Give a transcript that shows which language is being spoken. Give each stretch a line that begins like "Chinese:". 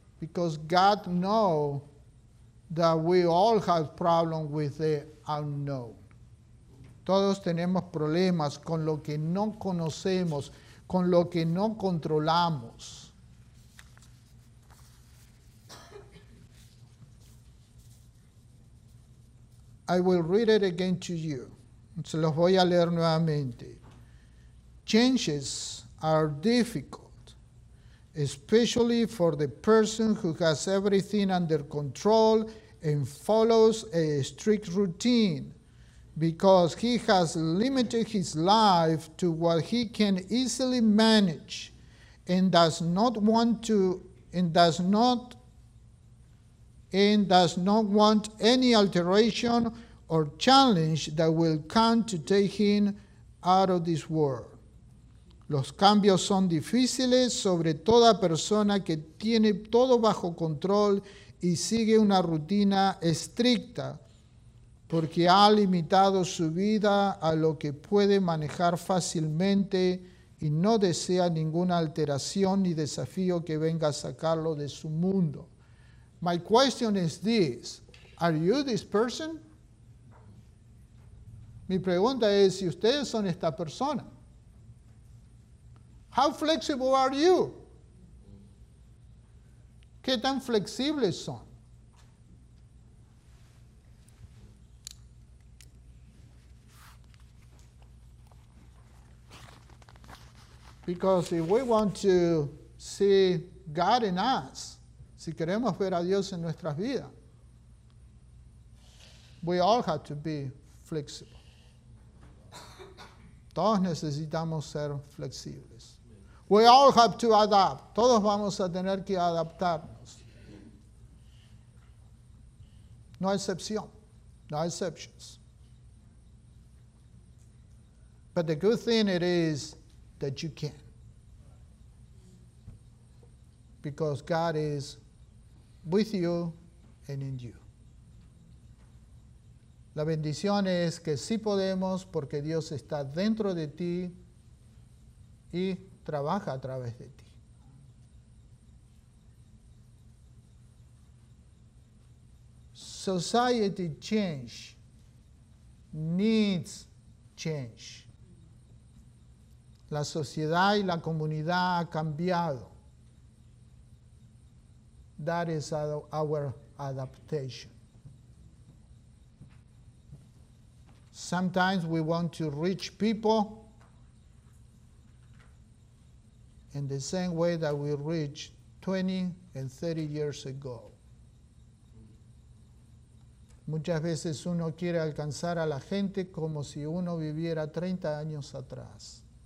English: Because God knows that we all have problems with the unknown.
Spanish: Todos tenemos problemas con lo que no conocemos, con lo que no controlamos.
English: I will read it again to you.
Spanish: Se los voy a leer nuevamente.
English: Changes are difficult, especially for the person who has everything under control and follows a strict routine, because he has limited his life to what he can easily manage and does not want any alteration or challenge that will come to take him out of this world.
Spanish: Los cambios son difíciles sobre toda persona que tiene todo bajo control y sigue una rutina estricta, porque ha limitado su vida a lo que puede manejar fácilmente y no desea ninguna alteración ni desafío que venga a sacarlo de su mundo.
English: My question is this, are you this person?
Spanish: Mi pregunta es si ustedes son esta persona.
English: How flexible are you?
Spanish: ¿Qué tan flexibles son?
English: Because if we want to see God in us,
Spanish: si queremos ver a Dios en nuestras vidas,
English: we all have to be flexible.
Spanish: Todos necesitamos ser flexibles.
English: We all have to adapt.
Spanish: Todos vamos a tener que adaptarnos. No excepción.
English: No exceptions. But the good thing it is that you can. Because God is with you and in you.
Spanish: La bendición es que sí podemos porque Dios está dentro de ti y trabaja a través de ti.
English: Society change needs change.
Spanish: La sociedad y la comunidad ha cambiado.
English: That is our adaptation. Sometimes we want to reach people in the same way that we reached 20 and 30 years ago.
Spanish: Muchas veces uno quiere alcanzar a la gente como si uno viviera 30 años atrás.